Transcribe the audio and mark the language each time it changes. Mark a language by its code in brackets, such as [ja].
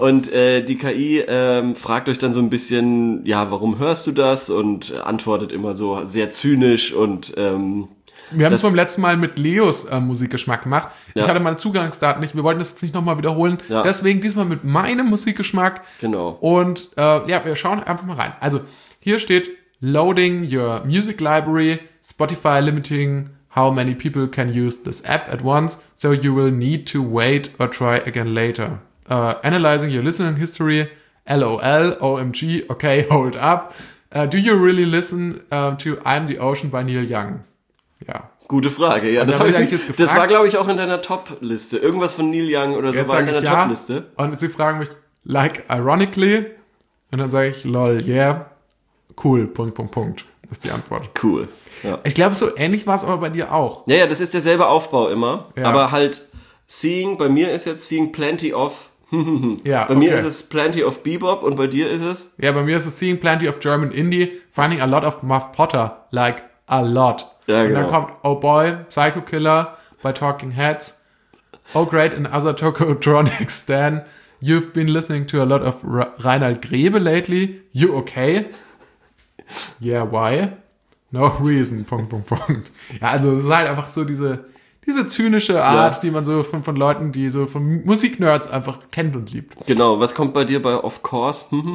[de] Und die KI fragt euch dann so ein bisschen, ja, warum hörst du das? Und antwortet immer so sehr zynisch. Und wir haben es beim letzten Mal mit Leos Musikgeschmack gemacht. Ja. Ich hatte meine Zugangsdaten nicht, wir wollten das jetzt nicht nochmal wiederholen. Ja. Deswegen diesmal mit meinem Musikgeschmack. Genau. Und wir schauen einfach mal rein. Also hier steht, [en] loading your music library, Spotify limiting how many people can use this app at once, so you will need to wait or try again later. Analyzing your listening history, LOL, OMG, okay, hold up. Do you really listen to I'm the Ocean by Neil Young? [de] Ja. Gute Frage. Ja, das habe ich eigentlich jetzt gefragt. Das war, glaube ich, auch in deiner Top-Liste. Irgendwas von Neil Young oder so war in deiner Top-Liste. Und sie fragen mich, [en] like ironically, [de] und dann sage ich, [en] lol, yeah, cool, [de] Punkt, Punkt, Punkt. Das ist die Antwort. Cool. Ja. Ich glaube, so ähnlich war es aber bei dir auch. Ja, das ist derselbe Aufbau immer. Ja. Aber halt, bei mir ist jetzt seeing plenty of. Ja, bei mir ist es plenty of Bebop und bei dir ist es. Ja, bei mir ist es [en] seeing plenty of German Indie, finding a lot of Muff Potter, like a lot. [de] Ja, und genau. Dann kommt Oh Boy, Psycho Killer by Talking Heads. [en] Oh Great, another Tokotronic Stan. You've been listening to a lot of Reinhard Grebe lately. You okay? Yeah, why? No reason, [de] Punkt, Punkt, Punkt. Ja, also es ist halt einfach so diese zynische Art, ja, die man so von Leuten, die so von Musiknerds einfach kennt und liebt. Genau, was kommt bei dir bei Of Course?